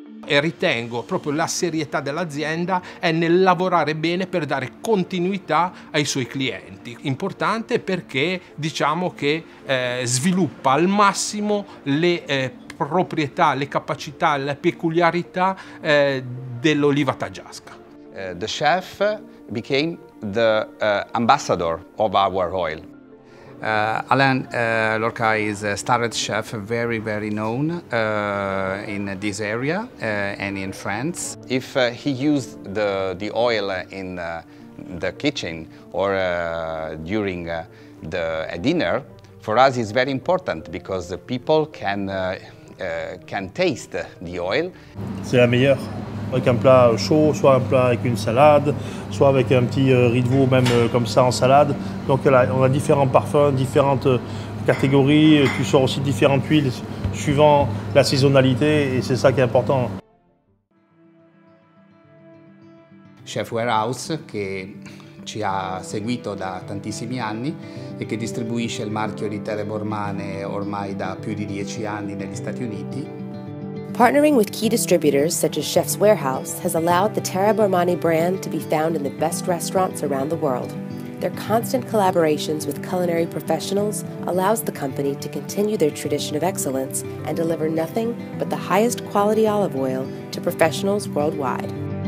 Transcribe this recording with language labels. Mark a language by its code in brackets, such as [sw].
[it] E ritengo proprio la serietà dell'azienda è nel lavorare bene per dare continuità ai suoi clienti. Importante perché diciamo che sviluppa al massimo le proprietà, le capacità, le peculiarità dell'oliva taggiasca. [en] The chef became the ambassador of our oil. Alain Lorca is a starred chef, very, very known in this area and in France. If he used the oil in the kitchen or during a dinner, for us it's very important because the people can taste the oil. [fr] C'est la meilleure, avec un plat chaud, soit un plat avec une salade, soit avec un petit riz de veau même comme ça en salade. Donc là, on a différents parfums, différentes catégories, tu sors aussi différentes huiles suivant la saisonnalité et c'est ça qui est important. [it] Chef Warehouse qui ci ha seguito da tantissimi anni e che distribuisce il marchio di Terre Bormane ormai da più di 10 anni negli Stati Uniti. [en] Partnering with key distributors such as Chef's Warehouse has allowed the Terre Bormane brand to be found in the best restaurants around the world. Their constant collaborations with culinary professionals allows the company to continue their tradition of excellence and deliver nothing but the highest quality olive oil to professionals worldwide.